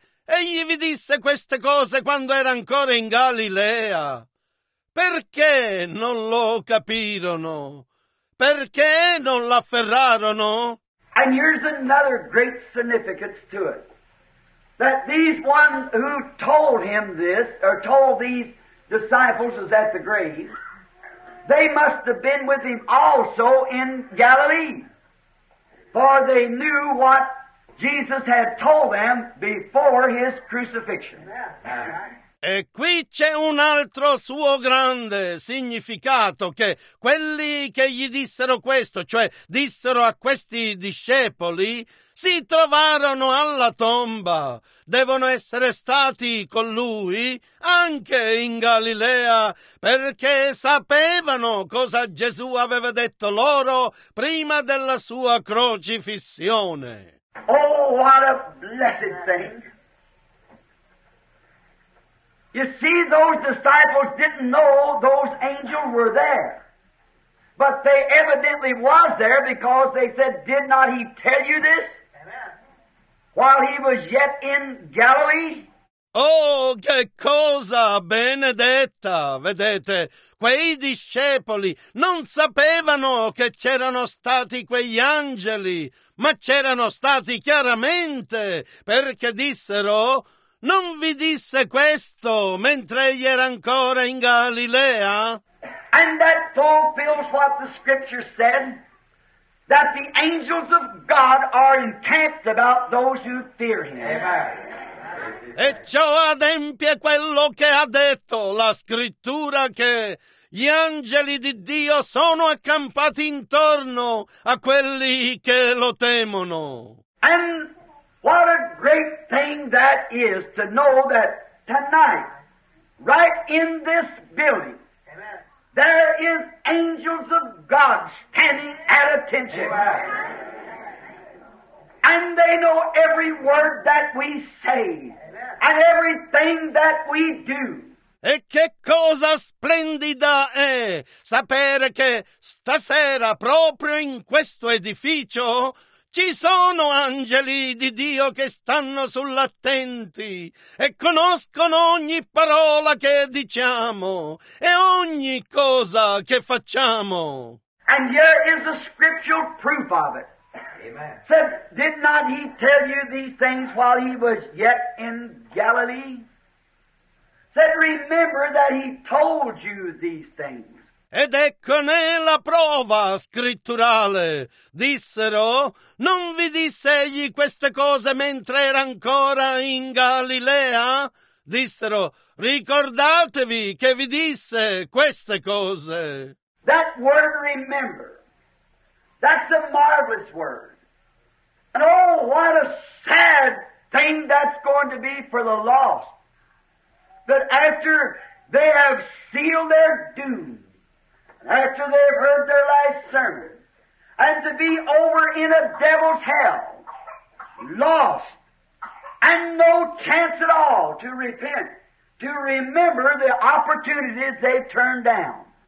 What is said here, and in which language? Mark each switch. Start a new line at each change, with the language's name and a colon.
Italian: Egli vi disse queste cose quando era ancora in Galilea. Perché non lo capirono? Perché non l'afferrarono?
English: And here's another great significance to it. That these one who told him this, or told these disciples was at the grave, they must have been with him also in Galilee, for they knew what Jesus had told them before his crucifixion.
Italian: E qui c'è un altro suo grande significato, che quelli che gli dissero questo, cioè dissero a questi discepoli, si trovarono alla tomba. Devono essere stati con lui anche in Galilea, perché sapevano cosa Gesù aveva detto loro prima della sua crocifissione.
English: Oh, what a blessed thing! You see, those disciples didn't know those angels were there. But they evidently was there because they said, did not he tell you this? Amen. While he was yet in Galilee?
Italian: Oh, che cosa benedetta! Vedete, quei discepoli non sapevano che c'erano stati quegli angeli, ma c'erano stati chiaramente, perché dissero: non vi disse questo mentre egli era ancora in Galilea?
English: And that fulfills what the Scripture said, that the angels of God are encamped about those who fear him. Amen.
Italian: E ciò adempie quello che ha detto la Scrittura, che gli angeli di Dio sono accampati intorno a quelli che lo temono.
English: And what a great thing that is to know that tonight, right in this building, Amen. There is angels of God standing at attention. Amen. And they know every word that we say. Amen. And everything that we do.
Italian: E che cosa splendida è sapere che stasera, proprio in questo edificio, ci sono angeli di Dio che stanno sull'attenti e conoscono ogni parola che diciamo e ogni cosa che facciamo.
English: And here is a scriptural proof of it. Amen. Said, did not he tell you these things while he was yet in Galilee? Said, remember that he told you these things.
Italian: Ed ecco nella prova scritturale, dissero, non vi disse egli queste cose mentre era ancora in Galilea? Dissero, ricordatevi che vi disse queste cose.
English: That word remember, that's a marvelous word. And oh, what a sad thing that's going to be for the lost. But after they have sealed their doom, after they've heard their last sermon, and to be over in a devil's hell, lost, and no chance at all to repent, to remember the opportunities they've turned down.